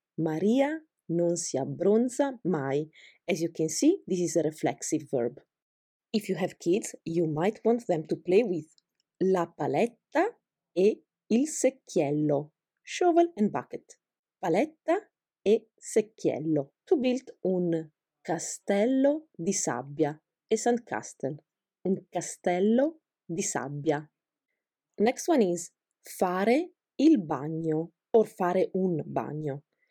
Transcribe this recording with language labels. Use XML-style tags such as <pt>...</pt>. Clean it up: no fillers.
<it>Maria non si abbronza mai.</it> <en>As you can see, this is a reflexive verb. If you have kids, you might want them to play with</en> <it>la paletta e il secchiello.</it> <en>Shovel and bucket.</en> <it>Paletta e secchiello.</it> <en>To build</en> <it>un castello di sabbia.</it> <en>A sandcastle.</en> <it>Un castello di sabbia.</it> <en>Next one is</en> <it>fare il bagno or fare un bagno.</it>